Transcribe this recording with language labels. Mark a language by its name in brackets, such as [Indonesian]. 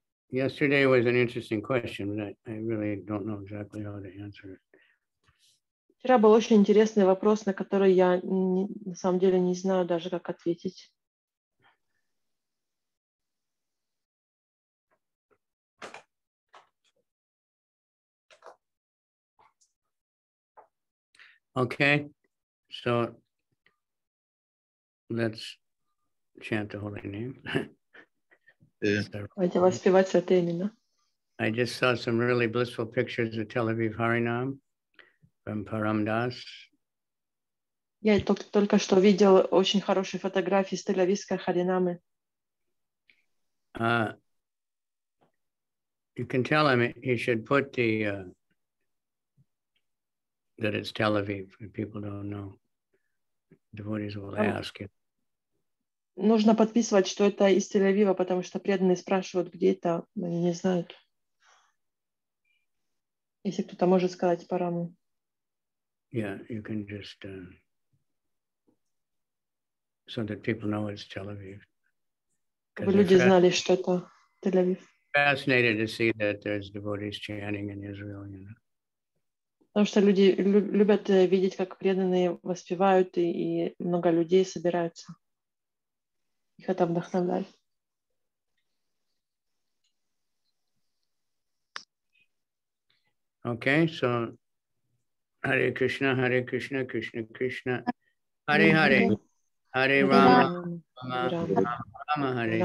[English] Yesterday was an interesting question, but I really don't know exactly how to answer it. [Russian] Вчера был очень интересный вопрос, на который я на самом деле не знаю даже, как ответить. [English] Okay, so let's chant the holy name. I just saw some really blissful pictures of Tel Aviv Harinam from Paramdas. [Russian] Я только что видел очень хорошие фотографии с Тель-Авивской Харинамы. [English] You can tell him he should put the that it's Tel Aviv, and people don't know. Devotees will ask it. [Russian] Нужно подписывать, что это из Тель-Авива, потому что преданные спрашивают, где это, они не знают. Если кто-то может сказать параму. [English] Yeah, you can just so that people know it's Tel Aviv. [Russian] Чтобы люди знали, что это Тель-Авив. [English] Fascinated to see that there's devotees chanting in Israel, you know. [Russian] Потому что люди любят видеть, как преданные воспевают, и много людей собираются. Их это вдохновляет. [English] Okay, so [Sanskrit] Hare Krishna, Hare Krishna, Krishna Krishna, Hare Hare, Hare Rama, Rama Rama, Hare